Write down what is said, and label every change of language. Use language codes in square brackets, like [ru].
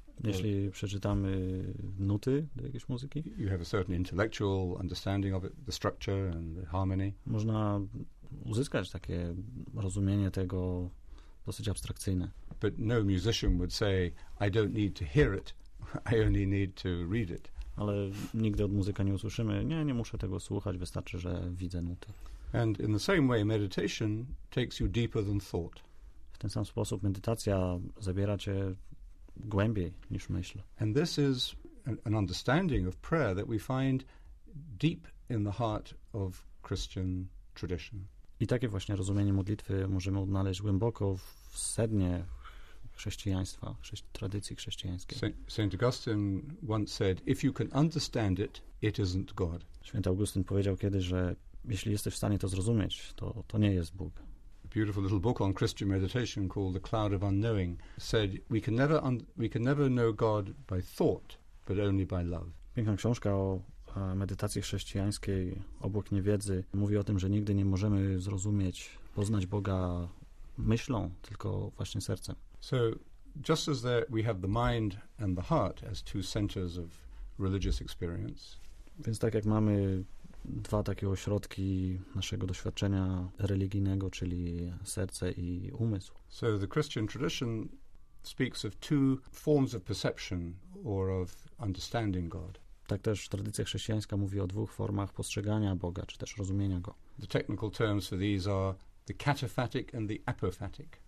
[pl] jeśli przeczytamy nuty do jakiejś muzyki, [en] you have a certain intellectual understanding of it, the structure and the harmony. [pl] Można uzyskać takie rozumienie tego dosyć abstrakcyjne. [en] But no musician would say, I don't need to hear it, I only need to read it. [pl] Ale nigdy od muzyka nie usłyszymy, nie muszę tego słuchać, wystarczy, że widzę nuty. [en] And in the same way, meditation takes you deeper than thought. [pl] W ten sam sposób medytacja zabiera cię głębiej niż myśl. [en] And this is an understanding of prayer that we find deep in the heart of Christian tradition. [pl] I takie właśnie rozumienie modlitwy możemy odnaleźć głęboko w sednie chrześcijaństwa, tradycji chrześcijańskiej. [en] Saint Augustine once said, if you can understand it, it isn't God. [pl] Święty Augustyn powiedział kiedyś, że jeśli jesteś w stanie to zrozumieć, to nie jest Bóg. [en] A beautiful little book on Christian meditation called The Cloud of Unknowing said, we can never know God by thought, but only by love. [pl] Piękna książka o medytacji chrześcijańskiej, Obłok niewiedzy, mówi o tym, że nigdy nie możemy zrozumieć, poznać Boga myślą, tylko właśnie sercem. [en] So, just as there we have the mind and the heart as two centers of religious experience. [pl] Więc tak jak mamy dwa takie ośrodki naszego doświadczenia religijnego, czyli serce i umysł. [en] So the Christian tradition speaks of two forms of perception or of understanding God. [pl] Tak też tradycja chrześcijańska mówi o dwóch formach postrzegania Boga, czy też rozumienia Go. [en] The technical terms for these are the cataphatic and the apophatic.